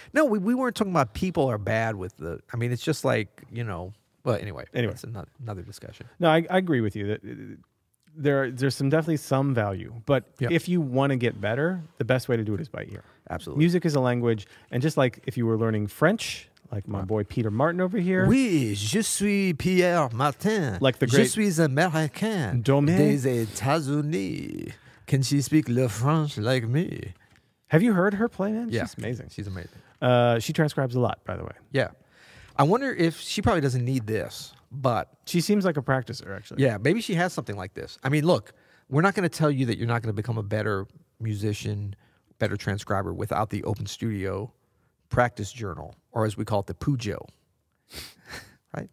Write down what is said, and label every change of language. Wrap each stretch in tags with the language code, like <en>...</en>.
<en>No, we weren't talking about people are bad with the – I mean, it's just like, you know – but anyway, that's another discussion. No, I agree with you that there's some definitely some value. But yep, if you want to get better, the best way to do it is by ear. Absolutely. Music is a language. And just like if you were learning French, like my boy Peter Martin over here.</en> <fr>Oui, je suis Pierre Martin.</fr> <en>Like the great.</en> <fr>Je suis Américain. Domaine. Des États-Unis.</fr> <en>Can she speak le French like me? Have you heard her play, man? Yeah. She's amazing. She's amazing. She transcribes a lot, by the way. Yeah. I wonder if she probably doesn't need this, but she seems like a practicer, actually. Yeah, maybe she has something like this. I mean, look, we're not going to tell you that you're not going to become a better musician, better transcriber without the Open Studio practice journal, or as we call it, the Pujo, right?</en>